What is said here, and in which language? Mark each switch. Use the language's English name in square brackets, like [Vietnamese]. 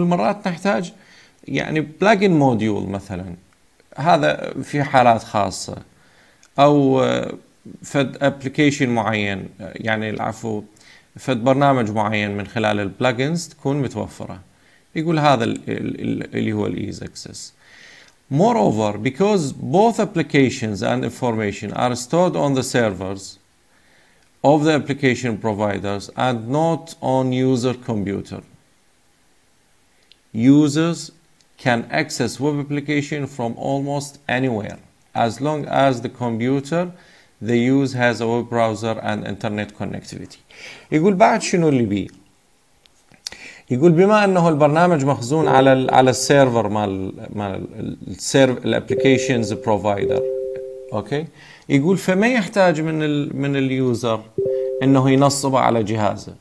[Arabic] يقول مرات نحتاج يعني plugin module مثلا، هذا في حالات خاصة، أو فد application معين، يعني العفو فد برنامج معين من خلال ال plugins تكون متوفرة. يقول هذا اللي هو ease access. [English] Moreover, because both applications and information are stored on the servers of the application providers and not on user computer, users can access web application from almost anywhere as long as the computer they use has a web browser and internet connectivity. [Arabic] يقول بعد شنو اللي بي؟ يقول بما انه البرنامج مخزون على السيرفر مال السيرفر الابلكيشنز بروفايدر، اوكي، يقول فما يحتاج من اليوزر انه ينصبه على جهازه.